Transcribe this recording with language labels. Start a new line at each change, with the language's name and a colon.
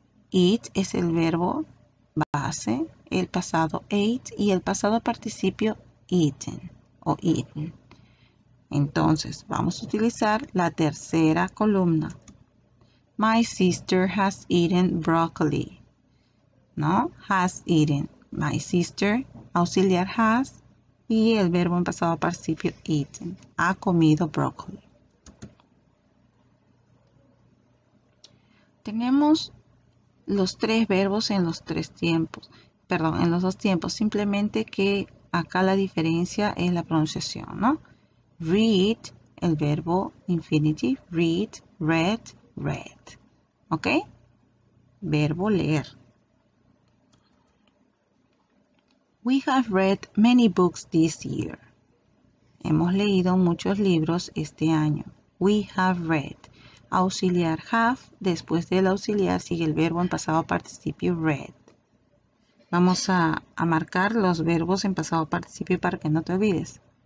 Spanish: Eat es el verbo base, el pasado ate y el pasado participio eaten o eaten. Entonces, vamos a utilizar la tercera columna.
English: My sister has eaten broccoli.
Spanish: ¿No?
English: Has eaten. My sister,
Spanish: auxiliar has, y el verbo en pasado participio eaten. Ha comido broccoli. Tenemos los tres verbos en los tres tiempos. Perdón, en los dos tiempos. Simplemente que acá la diferencia es la pronunciación, ¿no? Read, el verbo infinitive, read, read, read. ¿Ok? Verbo leer.
English: We have read many books this year.
Spanish: Hemos leído muchos libros este año.
English: We have read.
Spanish: Auxiliar have, después del auxiliar sigue el verbo en pasado participio read. Vamos a marcar los verbos en pasado participio para que no te olvides.